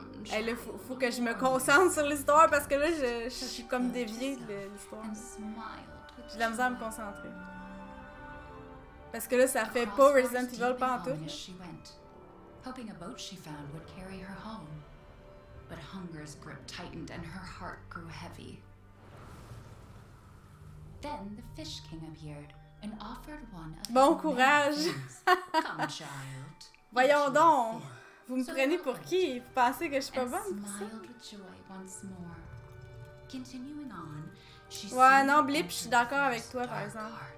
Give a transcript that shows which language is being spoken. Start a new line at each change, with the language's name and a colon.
French: Hey, là, faut que je me concentre sur l'histoire parce que là, je suis comme déviée de l'histoire. J'ai la misère à me concentrer. Parce que là, ça fait pas Resident Evil pantoute.
English: Hoping a boat she found would carry her home. But hunger's grip tightened and her heart grew heavy. Then the fish king appeared and offered one of
French: bon courage. Voyons donc, vous me prenez pour qui? Vous pensez que je suis pas bonne pour ça? Ouais, non, Blip, je suis d'accord avec toi, par exemple.